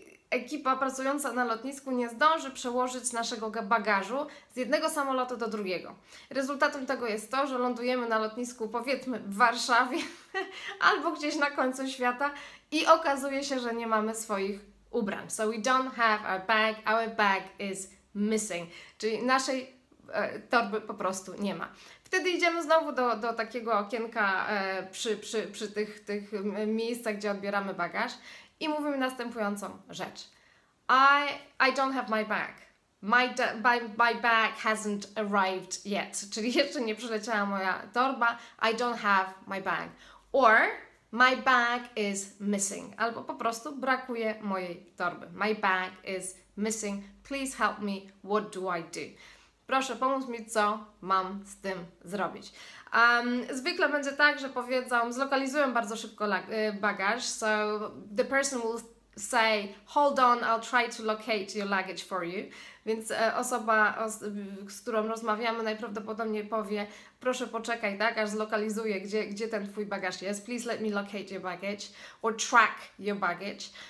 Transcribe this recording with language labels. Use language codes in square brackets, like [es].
[pl] ekipa pracująca na lotnisku nie zdąży przełożyć naszego bagażu z jednego samolotu do drugiego. Rezultatem tego jest to, że lądujemy na lotnisku, powiedzmy, w Warszawie albo gdzieś na końcu świata i okazuje się, że nie mamy swoich ubrań. [en] So we don't have our bag is missing. [pl] Czyli naszej torby po prostu nie ma. Wtedy idziemy znowu do takiego okienka przy tych miejscach, gdzie odbieramy bagaż i mówimy następującą rzecz. [en] I don't have my bag. My bag hasn't arrived yet. [pl] Czyli jeszcze nie przyleciała moja torba. [en] I don't have my bag. Or my bag is missing. [pl] Albo po prostu brakuje mojej torby. [en] My bag is missing. Please help me. What do I do? [pl] Proszę, pomóż mi, co mam z tym zrobić. Zwykle będzie tak, że powiedzą, zlokalizują bardzo szybko bagaż. [en] So the person will say, hold on, I'll try to locate your luggage for you. [pl] Więc osoba, z którą rozmawiamy, najprawdopodobniej powie, proszę poczekaj, tak, aż zlokalizuję, gdzie ten twój bagaż jest. [en] Please let me locate your baggage or track your baggage.